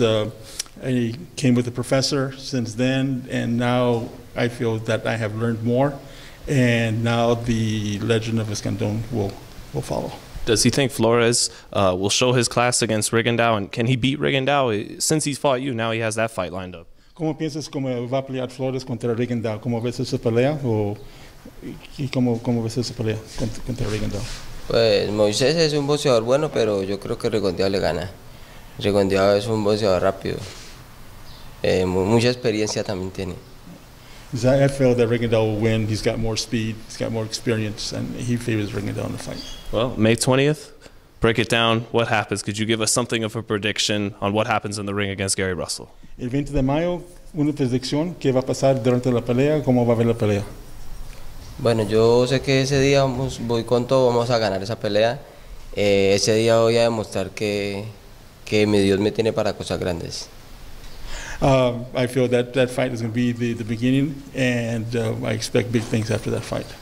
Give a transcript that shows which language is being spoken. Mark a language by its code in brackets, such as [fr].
[en] I came with a professor since then, and now I feel that I have learned more, and now the legend of Escandón will follow. Does he think Flores will show his class against Rigondeaux, and can he beat Rigondeaux? Since he's fought you, now he has that fight lined up. [es] ¿Cómo piensas cómo va a pelear Flores contra Rigondeaux? ¿Cómo ves esa pelea? ¿O cómo ves esa pelea contra Rigondeaux? Pues Moisés es un boxeador bueno, pero yo creo que Rigondeaux le gana. Rigondeaux es un boxeador rápido. Mucha experiencia también tiene. [en] I feel that Rigondeaux will win. He's got more speed, he's got more experience, and he favors Rigondeaux in the fight. Well, May 20th, break it down. What happens? Could you give us something of a prediction on what happens in the ring against Gary Russell? [es] El 20 de mayo, una predicción. ¿Qué va a pasar durante la pelea? ¿Cómo va a ver la pelea? Bueno, yo sé que ese día voy con todo, vamos a ganar esa pelea. Ese día voy a demostrar que mi Dios me tiene para cosas grandes. [en] I feel that that fight is going to be the beginning, and I expect big things after that fight.